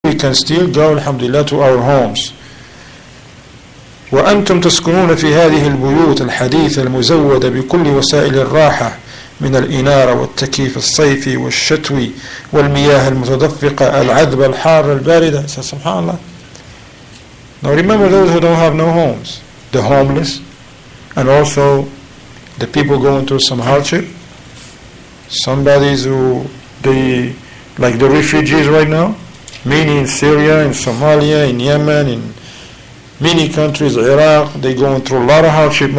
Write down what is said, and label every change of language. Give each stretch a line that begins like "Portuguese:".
English: can still go, alhamdulillah, to our homes.
Arabic: وأنتم تسكنون في هذه البيوت الحديثة المزودة بكل وسائل الراحة من الإنارة والتكييف الصيفي والشتوي والمياه المتدفقة العذبة الحارة الباردة. سبحان الله.
English: Now remember those who don't have no homes, the homeless, and also the people going through some hardship. Somebody who they like the refugees right now, meaning in Syria, in Somalia, in Yemen, in many countries, Iraq, they going through a lot of hardship.